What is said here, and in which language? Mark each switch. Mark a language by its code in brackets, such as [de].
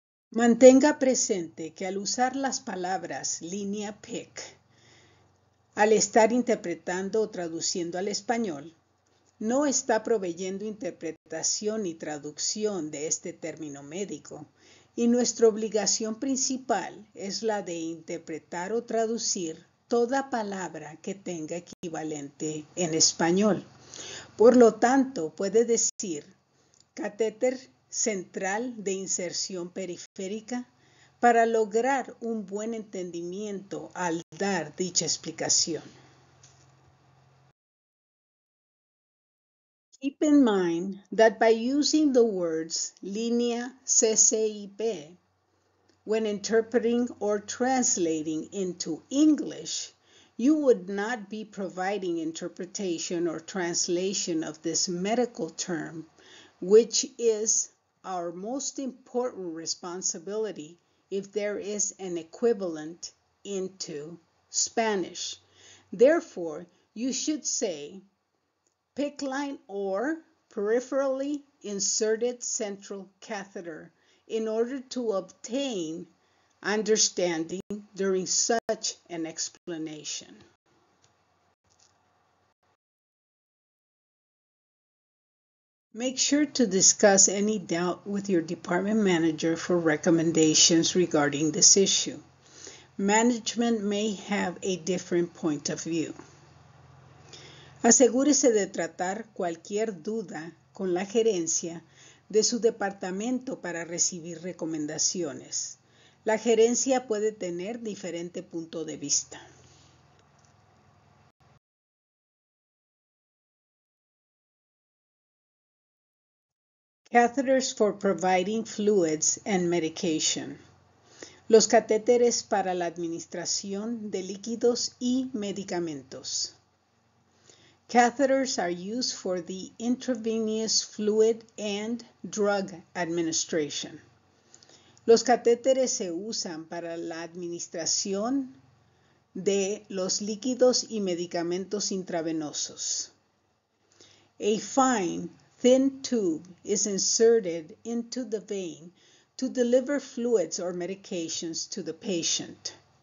[es] Mantenga presente que al usar las palabras línea PICC, al estar interpretando o traduciendo al español, no está proveyendo interpretación y traducción de este término médico, y nuestra obligación principal es la de interpretar o traducir toda palabra que tenga equivalente en español. Por lo tanto, puede decir catéter central de inserción periférica para lograr un buen entendimiento al dar dicha explicación. [en] Keep in mind that by using the words línea CCIP when interpreting or translating into English, you would not be providing interpretation or translation of this medical term, which is our most important responsibility if there is an equivalent into Spanish. Therefore, you should say PICC line or peripherally inserted central catheter in order to obtain understanding during such an explanation. Make sure to discuss any doubt with your department manager for recommendations regarding this issue. Management may have a different point of view. [es] Asegúrese de tratar cualquier duda con la gerencia de su departamento para recibir recomendaciones. La gerencia puede tener diferente punto de vista. [en] Catheters for providing fluids and medication. [es] Los catéteres para la administración de líquidos y medicamentos. [en] Catheters are used for the intravenous fluid and drug administration. [es] Los catéteres se usan para la administración de los líquidos y medicamentos intravenosos. [en] A fine thin tube is inserted into the vein to deliver fluids or medications to the patient.